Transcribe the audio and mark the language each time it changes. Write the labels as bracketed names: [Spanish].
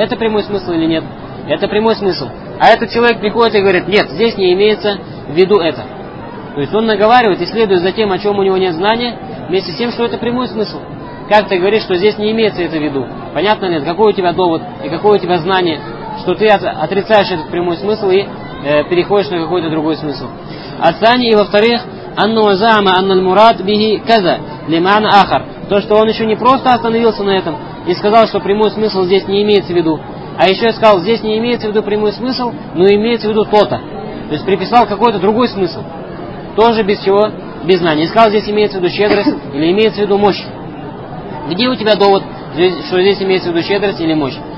[Russian] Это прямой смысл или нет? Это прямой смысл. А этот человек приходит и говорит: нет, здесь не имеется в виду это. То есть он наговаривает и следует за тем, о чем у него нет знания, вместе с тем, что это прямой смысл. Как ты говоришь, что здесь не имеется это в виду? Понятно, нет? Какой у тебя довод и какое у тебя знание, что ты отрицаешь этот прямой смысл и переходишь на какой-то другой смысл? Отстань. И во-вторых, [Arabic] أَنَّهُ زَعْمَ أَنَّ الْمُرَادْ بِهِ كَذَا لِمَعْنَ آخَرْ. [Russian] То, что он еще не просто остановился на этом и сказал, что прямой смысл здесь не имеется в виду, а еще сказал: здесь не имеется в виду прямой смысл, но имеется в виду то-то. То есть приписал какой-то другой смысл. Тоже без чего? Без знания. И сказал: здесь имеется в виду щедрость или имеется в виду мощь. Где у тебя довод, что здесь имеется в виду щедрость или мощь?